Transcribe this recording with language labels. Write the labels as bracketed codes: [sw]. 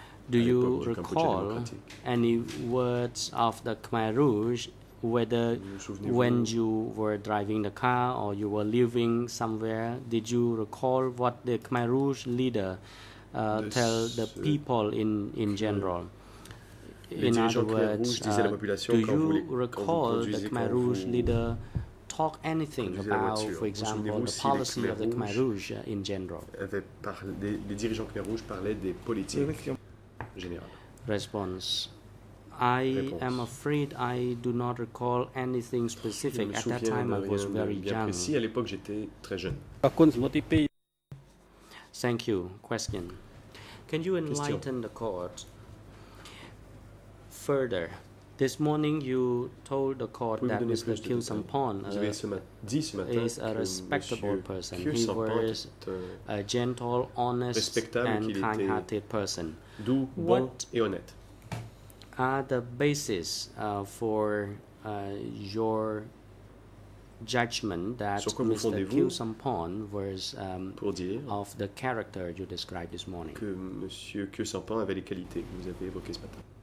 [en] do you recall any words of the Khmer Rouge whether when you were driving the car or you were living somewhere, did you recall what the Khmer Rouge leader tell the people in general? In other words, do you recall the Khmer Rouge leader talk anything about, for example, the policy of the Khmer Rouge in general. [fr] Les dirigeants Khmer Rouge parlaient des politiques générales. [en] Response. I am afraid I do not recall anything specific. At that time, I was very young. [fr] Si à l'époque j'étais très jeune. [en] Thank you. Question. Can you enlighten the court further? This morning you told the court that Mr. Khieu Samphan is a respectable person. He was a gentle, honest, and kind-hearted person. [fr] Doux, bon et honnête. [en] What are the basis for your judgment that Mr. Kyu Sampan was of the character you described this morning. [fr] Que Monsieur Kyu Sampan avait les qualités que vous avez évoquées ce matin.